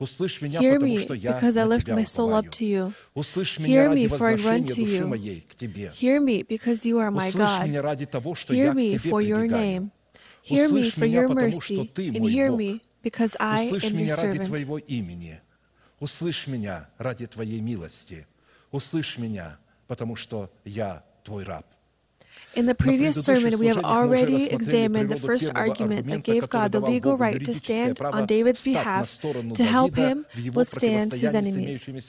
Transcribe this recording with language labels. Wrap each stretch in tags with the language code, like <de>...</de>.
<en>Hear me, because I lift my soul up to you. Hear me, for I run to you. Hear me, because you are my God. Hear me for your name. Hear me for your mercy, and hear me, because I am your servant.</en> <ru>Услышь меня ради Твоей милости. Услышь меня, потому что я Твой раб.</ru> <en>In the previous sermon, we have already examined the first argument that gave God the legal right to stand on David's behalf to help him withstand his enemies.</en>